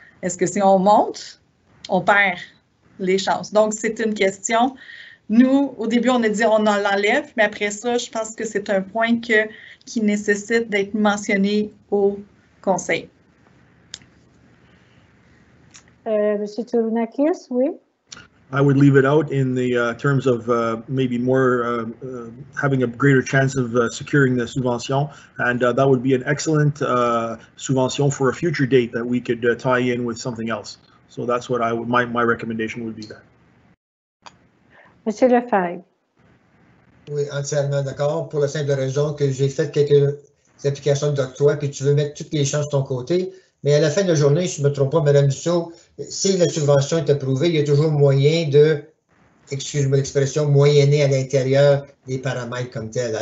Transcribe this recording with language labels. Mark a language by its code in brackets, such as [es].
[fr] Est-ce que si on monte, on perd les chances? Donc, c'est une question. Nous, au début, on a dit on l'enlève, mais après ça, je pense que c'est un point qui nécessite d'être mentionné au conseil. Monsieur Tournakis, oui? [en] I would leave it out in the terms of maybe more having a greater chance of securing the subvention. And that would be an excellent subvention for a future date that we could tie in with something else. So that's what my recommendation would be there. [fr] Monsieur Lefebvre. Oui, entièrement d'accord. Pour la simple raison que j'ai fait quelques applications de toi, puis tu veux mettre toutes les chances de ton côté. Mais à la fin de la journée, si je ne me trompe pas, Madame Dussault, si la subvention est approuvée, il y a toujours moyen de, excuse-moi l'expression, moyenner à l'intérieur des paramètres comme tels.